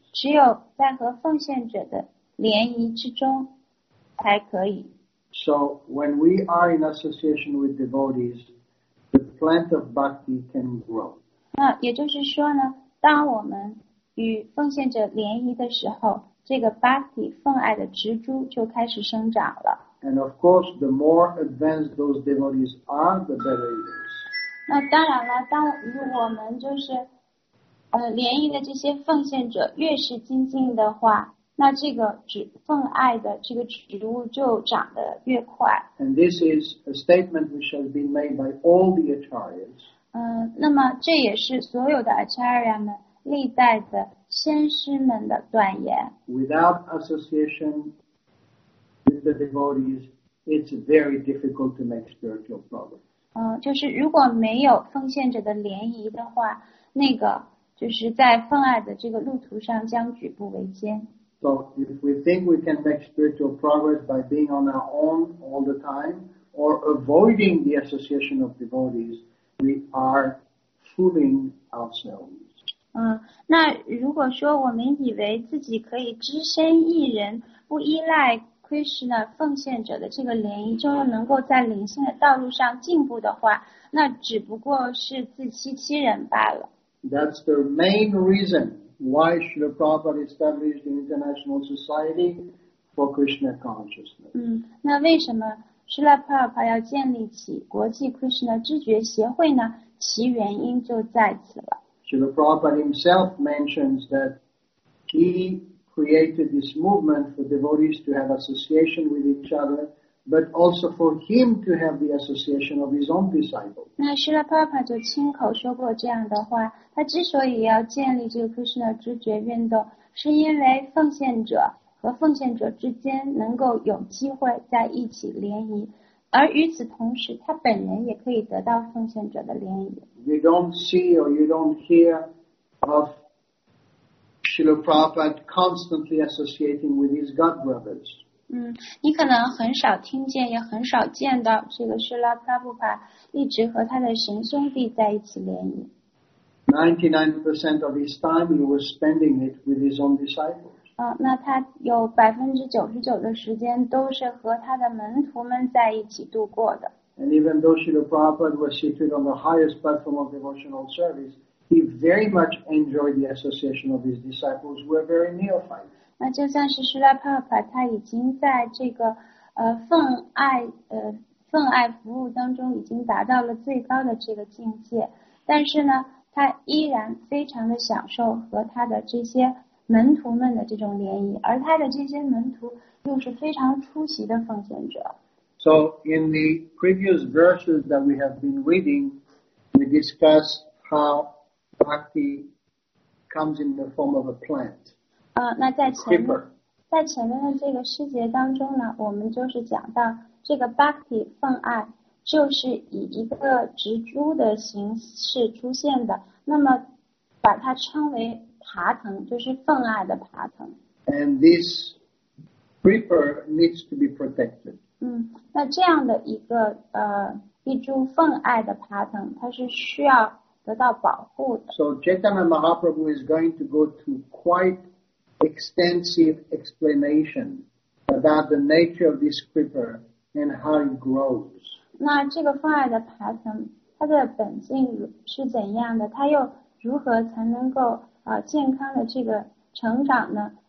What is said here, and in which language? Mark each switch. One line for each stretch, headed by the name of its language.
Chinese: 只有在和奉献者的联谊之中才可以。
English: So when we are in association with devotees,plant of bhakti can grow.
Chinese: 那也就是说呢，当我们与奉献者联谊的时候，这个 bhakti 奉爱的植株就开始生长了。
English: And of course, the more advanced those devotees are, the better it is.
Chinese: 那当然了，当我们就是，联谊的这些奉献者越是精进的话，那这个植奉爱的这个植物就长得越快。
English: And this is a statement which has been made by all the acharyas.
Chinese: 那么这也是所有的 acharya 们历代的先师们的断言。
English: Without association with the devotees, it's very difficult to make spiritual progress.
Chinese: 就是如果没有奉献者的联谊的话，那个就是在奉爱的这个路途上将举步维艰。
English: So if we think we can make spiritual progress by being on our own all the time or avoiding the association of devotees, we are fooling ourselves.
Chinese: 那如果说我们以为自己可以只身一人不依赖 Krishna 奉献者的这个联谊就能够在灵性的道路上进步的话，那只不过是自欺欺人罢了。
English: That's the main reason. Why should a Prabhupada establish the International Society for Krishna Consciousness?
Chinese: 那为什么 Srila Prabhupada 要建立起国际 Krishna 知觉协会呢？其原因就在此了。
English: Srila Prabhupada himself mentions that he created this movement for devotees to have association with each other, but also for him to have the association of his own disciples.
Chinese: 那 Srila Prabhupada 就亲口说过这样的话，他之所以要建立这个 Krishna 知觉运动，是因为奉献者和奉献者之间能够有机会在一起联谊，而与此同时，他本人也可以得到奉献者的联谊。
English: You don't see or you don't hear of Srila Prabhupada constantly associating with his god brothers.
Chinese: 你可能很少听见也很少见到这个是拉帕布帕一直和他的神兄弟在一起联谊。
English: 99% of his time he was spending it with his own disciples.
Chinese: 那他有99%的时间都是和他的门徒们在一起度过的。
English: And even though Srila Prabhupada was seated on the highest platform of devotional service, he very much enjoyed the association of his disciples who were very neophytes.
Chinese: 那就算是 Srila Prabhupada 他已经在这个奉爱服务当中已经达到了最高的这个境界，但是呢，他依然非常的享受和他的这些门徒们的这种联谊，而他的这些门徒又是非常出席的奉献者。
English: So in the previous verses that we have been reading, we discuss how bhakti comes in the form of a plant.
Chinese: 那在前面的这个师节当中呢，我们就是讲到这个 bhakti 奉爱就是以一个植株的形式出现的，那么把它称为爬藤，就是奉爱的爬藤。
English: And this creeper needs to be protected.
Chinese: 那这样的一个一株奉爱的爬藤，它是需要得到保护的。
English: So Chaitanya Mahaprabhu is going to go to quite extensive explanation about the nature of this creeper and how it grows.
Chinese: 那这个奉爱的爬藤，它的本性是怎样的？它又如何才能够健康的这个成长呢？